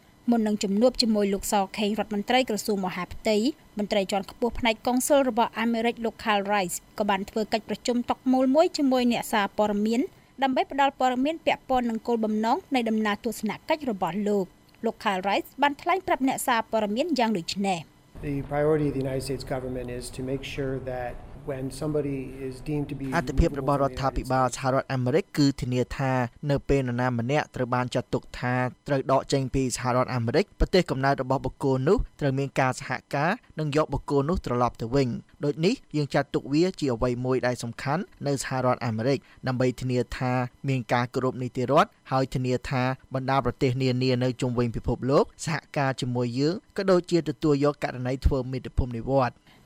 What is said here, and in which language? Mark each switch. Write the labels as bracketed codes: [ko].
[km] មុននឹងជំនួបជាមួយលោកសខេងរដ្ឋមន្ត្រីក្រសួងមហាផ្ទៃមន្ត្រីជាន់ខ្ពស់ផ្នែកកុងស៊ុលរបស់អាមេរិកលោក Carl Rice ក៏បានធ្វើកិច្ចប្រជុំតុមូលមួយជាមួយអ្នកសារព័ត៌មានដើម្បីផ្ដល់ព័ត៌មានពាក់ព័ន្ធនឹងគោលបំណងនៃដំណើរទស្សនកិច្ចរបស់លោកលោក Carl Rice បានថ្លែងប្រាប់អ្នកសារព័ត៌មានយ៉ាងដូចនេះ [en] The priority of the United States government is to make sure thatWhen somebody is deemed to be [km] អត្តភាពរបស់រដ្ឋាភិបាលសហរដ្ឋអាមេរិកគឺធានាថានៅពេលនរណាម្នាក់ត្រូវបានចាត់ទុកថាត្រូវដកចេញពីសហរដ្ឋអាមេរិកប្រទេសកំណើតរបស់បុគ្គលនោះត្រូវមានការសហការនិងយកបុគ្គលនោះត្រឡប់ទៅវិញដូចនេះយើងចាត់ទុកវាជាអ្វីមួយដែលសំខាន់នៅសហរដ្ឋអាមេរិកដើម្បីធានាថាមានការគោរពនីតិរដ្ឋហើយធានាថាបណ្ដាប្រទេសនានានៅជុំវិញពិភពលោកសហការជាមួយយើងក៏ដូចជាទទួលយកករណីធ្វើមេត្តាភូមិនិវត្តន